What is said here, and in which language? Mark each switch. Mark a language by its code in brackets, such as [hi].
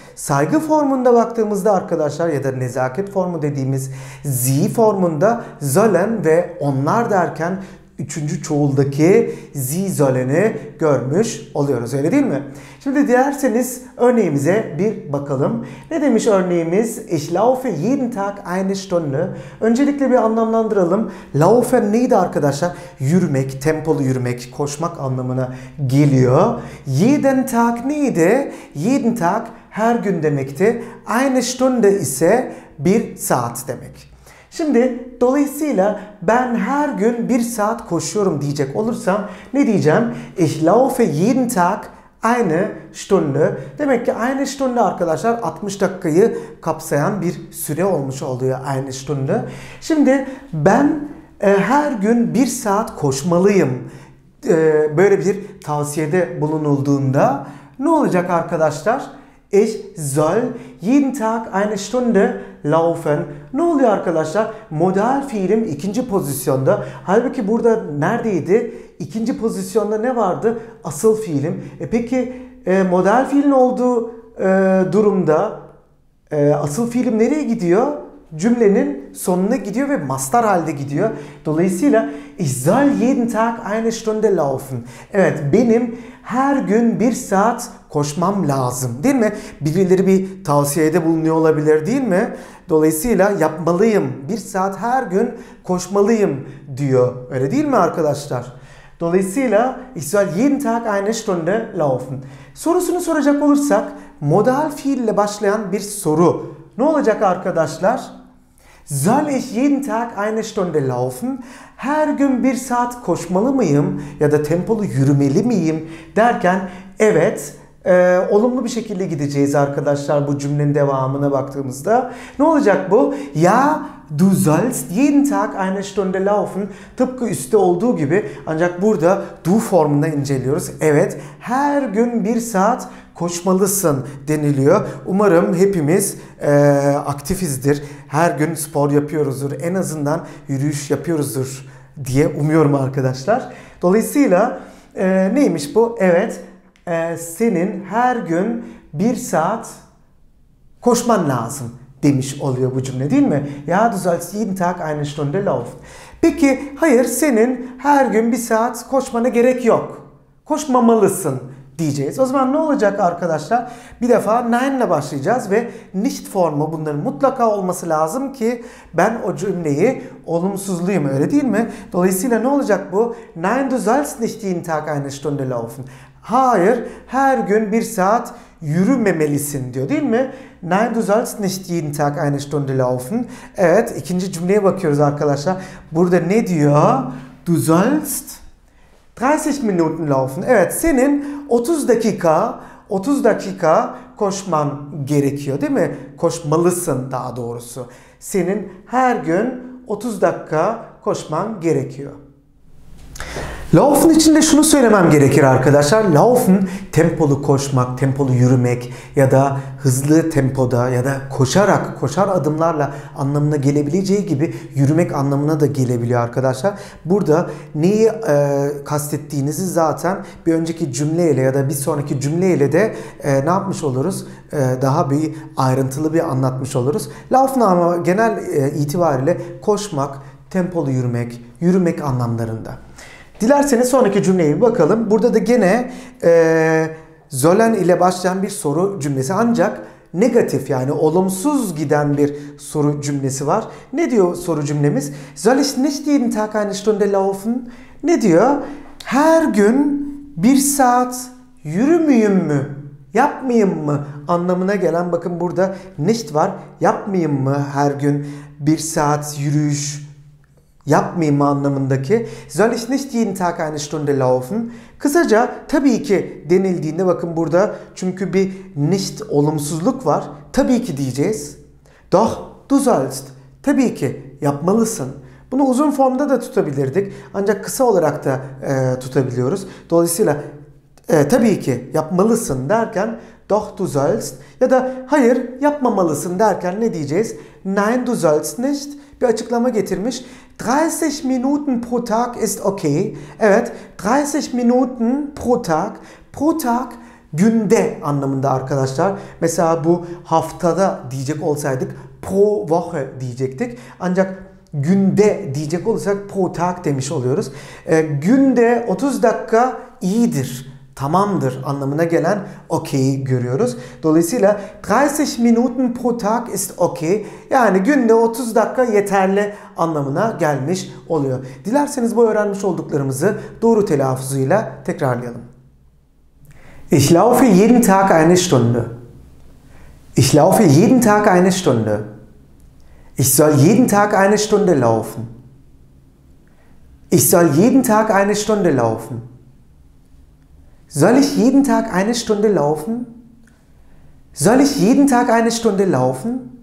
[tr] Saygı formunda baktığımızda arkadaşlar ya da nezaket formu dediğimiz sie formunda sollen ve onlar derken üçüncü çoğuldaki sie sollen'i görmüş oluyoruz öyle değil mi? Şimdi dilerseniz örneğimize bir bakalım. Ne demiş örneğimiz? [de] Ich laufe jeden Tag eine Stunde. [tr] Öncelikle bir anlamlandıralım. Laufe neydi arkadaşlar? Yürümek, tempolu yürümek, koşmak anlamına geliyor. Jeden Tag neydi? Jeden Tag her gün demekti. Eine Stunde ise bir saat demek. Şimdi dolayısıyla ben her gün bir saat koşuyorum diyecek olursam ne diyeceğim? [de] Ich laufe jeden Tag eine Stunde. [tr] Demek ki eine Stunde arkadaşlar 60 dakikayı kapsayan bir süre olmuş oluyor eine Stunde. Şimdi ben her gün bir saat koşmalıyım. Böyle bir tavsiyede bulunulduğunda ne olacak arkadaşlar? [de] Ich soll jeden Tag eine Stunde laufen. [tr] Ne oluyor arkadaşlar? Modal fiilim ikinci pozisyonda. Halbuki burada neredeydi? İkinci pozisyonda ne vardı? Asıl fiilim. Peki modal fiilin olduğu durumda asıl fiilim nereye gidiyor? Cümlenin sonuna gidiyor ve mastar halde gidiyor. Dolayısıyla [de] ich soll jeden Tag eine Stunde laufen. [tr] Evet, benim her gün bir saat koşmam lazım değil mi? Birileri bir tavsiyede bulunuyor olabilir değil mi? Dolayısıyla yapmalıyım. Bir saat her gün koşmalıyım diyor. Öyle değil mi arkadaşlar? Dolayısıyla [de] ich soll jeden Tag eine Stunde laufen. [tr] Sorusunu soracak olursak modal fiille başlayan bir soru. Ne olacak arkadaşlar? [de] Soll ich jeden Tag eine Stunde laufen? [tr] Her gün bir saat koşmalı mıyım? Ya da tempolu yürümeli miyim? Derken evet, olumlu bir şekilde gideceğiz arkadaşlar bu cümlenin devamına baktığımızda. Ne olacak bu? [de] Ja, du sollst jeden Tag eine Stunde laufen. [tr] Tıpkı üstte olduğu gibi ancak burada du formunda inceliyoruz. Evet, her gün bir saat koşmalısın deniliyor. Umarım hepimiz aktifizdir. Her gün spor yapıyoruzdur. En azından yürüyüş yapıyoruzdur diye umuyorum arkadaşlar. Dolayısıyla neymiş bu? Evet, senin her gün bir saat koşman lazım demiş oluyor bu cümle değil mi? [de] Ja, du sollst jeden Tag eine Stunde laufen. [tr] Peki hayır, senin her gün bir saat koşmana gerek yok. Koşmamalısın diyeceğiz. O zaman ne olacak arkadaşlar? Bir defa nein ile başlayacağız ve nicht formu bunların mutlaka olması lazım ki ben o cümleyi olumsuzluyum öyle değil mi? Dolayısıyla ne olacak bu? [de] Nein, du sollst nicht jeden Tag eine Stunde laufen. [tr] Hayır, her gün bir saat yürümemelisin diyor değil mi? [de] Nein, du sollst nicht jeden Tag eine Stunde laufen. [tr] Evet, ikinci cümleye bakıyoruz arkadaşlar. Burada ne diyor? [de] Du sollst 30 Minuten laufen. [tr] Evet, senin 30 dakika koşman gerekiyor değil mi? Koşmalısın daha doğrusu. Senin her gün 30 dakika koşman gerekiyor. Laufen için de şunu söylemem gerekir arkadaşlar. Laufen, tempolu koşmak, tempolu yürümek ya da hızlı tempoda ya da koşarak, koşar adımlarla anlamına gelebileceği gibi yürümek anlamına da gelebiliyor arkadaşlar. Burada neyi kastettiğinizi zaten bir önceki cümleyle ya da bir sonraki cümleyle de ne yapmış oluruz? Daha bir ayrıntılı bir anlatmış oluruz. Laufen ama genel itibariyle koşmak, tempolu yürümek, yürümek anlamlarında. Dilerseniz sonraki cümleye bakalım. Burada da gene Zollen ile başlayan bir soru cümlesi, ancak negatif, yani olumsuz giden bir soru cümlesi var. Ne diyor soru cümlemiz? [de] Soll ich nicht jeden Tag eine Stunde laufen? [tr] Ne diyor? Her gün bir saat yürümeyeyim mi? Yapmayayım mı? Anlamına gelen, bakın burada nicht var. Yapmayayım mı her gün bir saat yürüyüş? Yapmayayım mı anlamındaki. [de] Soll ich nicht jeden Tag eine Stunde laufen? [tr] Kısaca tabii ki denildiğinde, bakın burada çünkü bir nicht olumsuzluk var. Tabii ki diyeceğiz. [de] Doch, du sollst. [tr] Tabii ki yapmalısın. Bunu uzun formda da tutabilirdik. Ancak kısa olarak da tutabiliyoruz. Dolayısıyla tabii ki yapmalısın derken [de] doch, du sollst. [tr] Ya da hayır, yapmamalısın derken ne diyeceğiz? [de] Nein, du sollst nicht. [tr] Bir açıklama getirmiş. [de] 30 Minuten pro Tag ist okay. Evet, 30 Minuten pro Tag. [tr] Pro Tag, günde anlamında arkadaşlar. Mesela bu haftada diyecek olsaydık pro Woche diyecektik. Ancak günde diyecek olursak pro Tag demiş oluyoruz. Günde 30 dakika iyidir, tamamdır anlamına gelen okey görüyoruz. Dolayısıyla [de] 30 Minuten pro Tag ist okay. [tr] Yani günde 30 dakika yeterli anlamına gelmiş oluyor. Dilerseniz bu öğrenmiş olduklarımızı doğru telaffuzuyla tekrarlayalım. [de] Ich laufe jeden Tag eine Stunde. Ich laufe jeden Tag eine Stunde. Ich soll jeden Tag eine Stunde laufen. Ich soll jeden Tag eine Stunde laufen. Soll ich jeden Tag eine Stunde laufen? Soll ich jeden Tag eine Stunde laufen?